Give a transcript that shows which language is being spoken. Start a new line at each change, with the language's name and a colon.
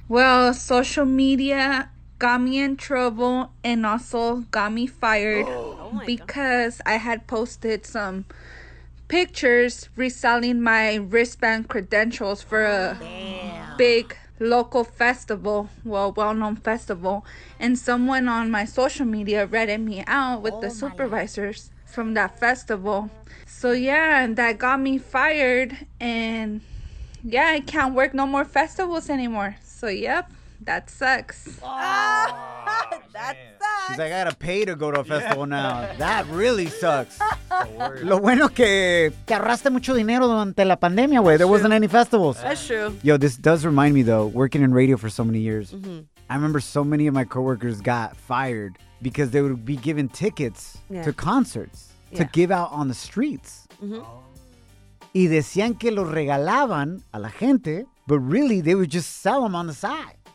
English: Well, social media got me in trouble and also got me fired because I had posted some pictures reselling my wristband credentials for a big local festival, well-known festival, and someone on my social media ratted me out with the supervisors from that festival. So yeah, and that got me fired, and yeah, I can't work no more festivals anymore. So yep, that sucks. That sucks. She's like, I gotta pay to go to a festival now. That really sucks.
Spanish: Lo bueno que te ahorraste mucho dinero durante la pandemia, güey.
English: There wasn't any festivals. That's true. Yo, this does remind me, though, working in radio for so many years. Mm-hmm. I remember so many of my coworkers got fired because they would be given tickets to concerts to give out on the streets. Mm-hmm.
Spanish: Y decían que los regalaban a la gente,
English: but really, they would just sell them on the side.